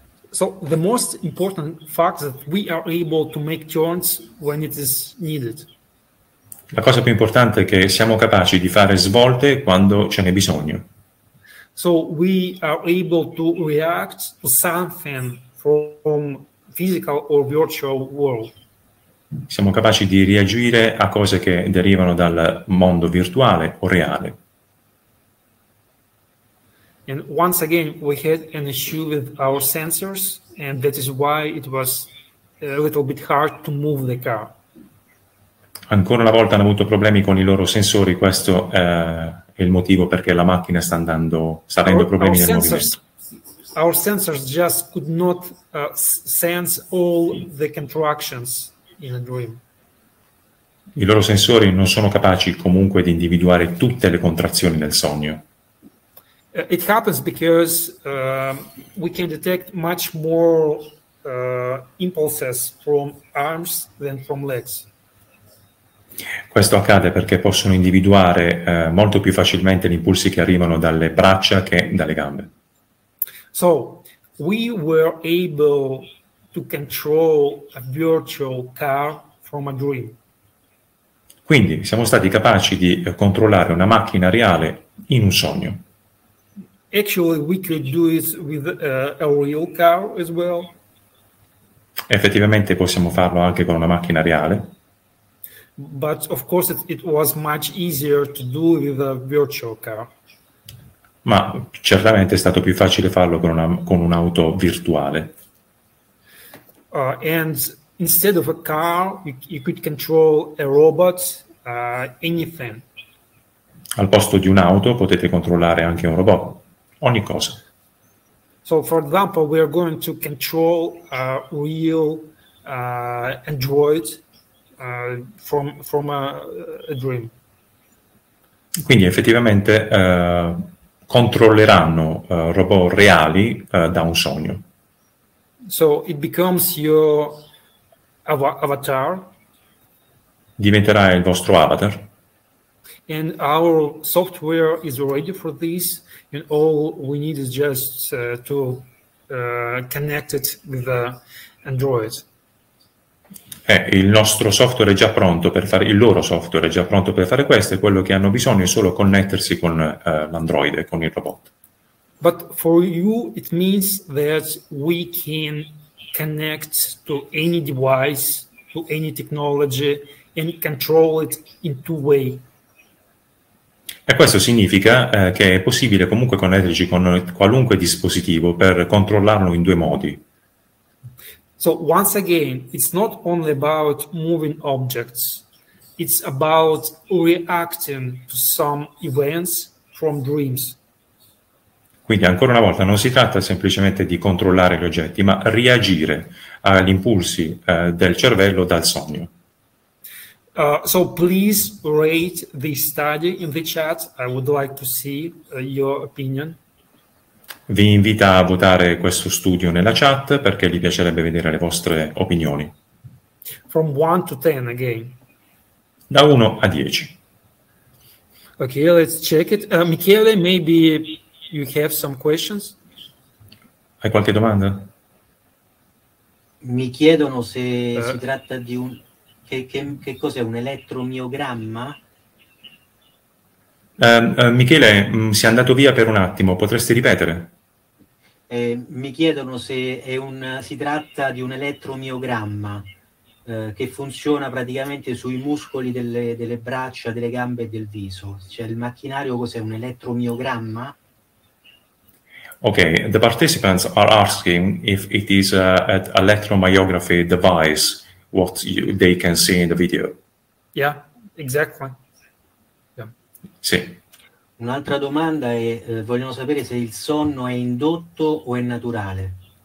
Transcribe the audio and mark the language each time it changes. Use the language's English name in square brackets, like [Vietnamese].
[English] So the most important fact that we are able to make turns when it is needed. [Italian] La cosa più importante è che siamo capaci di fare svolte quando ce n'è bisogno. [English] So we are able to react to something from physical or virtual world. [Italian] Siamo capaci di reagire a cose che derivano dal mondo virtuale o reale. [English] And once again, we had an issue with our sensors, and that is why it was a little bit hard to move the car. [Italian] Ancora una volta hanno avuto problemi con i loro sensori. Questo è il motivo perché la macchina sta andando, sta avendo problemi nel movimento. [English] Our sensors just could not sense all the contractions in a dream. [Italian] I loro sensori non sono capaci comunque di individuare tutte le contrazioni nel sogno. [English] It happens because we can detect much more impulses from arms than from legs. [Italian] Questo accade perché possono individuare molto più facilmente gli impulsi che arrivano dalle braccia che dalle gambe. [English] So we were able to control a virtual car from a dream. [Italian] Quindi siamo stati capaci di controllare una macchina reale in un sogno. [English] Actually, we could do it with a real car as well. [Italian] Effettivamente possiamo farlo anche con una macchina reale. [English] But of course it was much easier to do with a virtual car. [Italian] Ma certamente è stato più facile farlo con un'auto virtuale. [English] And instead of a car, you could control a robot, anything. [Italian] Al posto di un'auto potete controllare anche un robot. Ogni cosa. [English] So for example we are going to control a real android from a dream. [Italian] Quindi effettivamente controlleranno robot reali da un sogno. [English] So it becomes your avatar. [Italian] Diventerà il vostro avatar. [English] And our software is ready for this, and all we need is just to connect it with Android. [Italian] Il nostro software è già pronto per fare, il loro software è già pronto per fare questo, e quello che hanno bisogno è solo connettersi con l'Android, con il robot. [English] But for you it means that we can connect to any device, to any technology, and control it in two ways. [Italian] E questo significa che è possibile comunque connetterci con qualunque dispositivo per controllarlo in due modi. [English] So once again, it's not only about moving objects, it's about reacting to some events from dreams. [Italian] Quindi ancora una volta non si tratta semplicemente di controllare gli oggetti, ma reagire agli impulsi del cervello dal sogno. [English] So please rate this study in the chat. I would like to see your opinion. [Italian] Vi invita a votare questo studio nella chat perché gli piacerebbe vedere le vostre opinioni. [English] From 1 to 10 again. [Italian] Da 1 a 10. [English] Ok, let's check it. Michele, maybe you have some questions? [Italian] Hai qualche domanda? Mi chiedono se si tratta di un... Che cos'è, un elettromiogramma? Michele, si è andato via per un attimo, potresti ripetere? Mi chiedono se si tratta di un elettromiogramma che funziona praticamente sui muscoli delle braccia, delle gambe e del viso. Cioè il macchinario cos'è, un elettromiogramma? [English] Ok, the participants are asking if it is an electromyography device, what they can see in the video. Yeah, exactly. Yeah. [Italian] Sì. Un'altra domanda è, vogliono sapere se il sonno è indotto o è naturale.